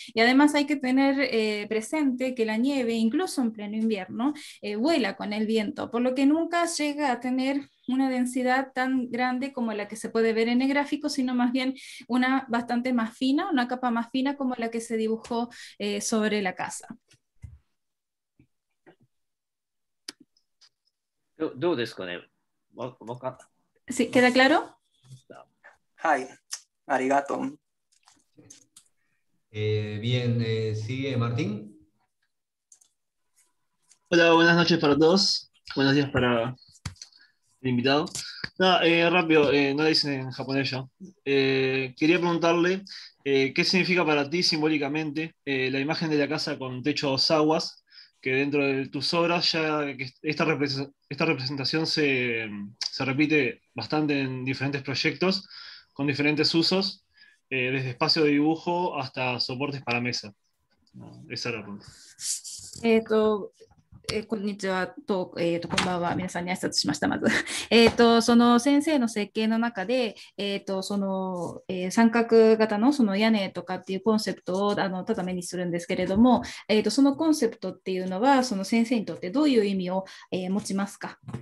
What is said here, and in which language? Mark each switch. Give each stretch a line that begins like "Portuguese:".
Spanish: Y además hay que tener presente que la nieve, incluso en pleno invierno, vuela con el viento, por lo que nunca llega a tener una densidad tan grande como la que se puede ver en el gráfico, sino más bien una bastante más fina, una capa más fina como la que se dibujó sobre la casa.
Japanese: どうですかね。わかった。
Spanish: Sí, ¿queda claro?
Japanese: Hi, arigato.
Spanish: Bien, sigue Martín. Hola, buenas noches para todos. Buenos días para el invitado. Rápido, no lo dicen en japonés ya. Quería preguntarle qué significa para ti simbólicamente la imagen de la casa con techo a dos aguas, que dentro de tus obras ya esta representación se repite bastante en diferentes proyectos, con diferentes usos, desde espacio de dibujo hasta soportes para mesa. Esa era la pregunta.
Japanese: こんにちは、こんばんは、皆さんに挨拶しました、まず。その先生の設計の中で、その、三角型のその屋根とかっていうコンセプトを畳にするんですけれども、そのコンセプトっていうのは、その先生にとってどういう意味を、持ちますか？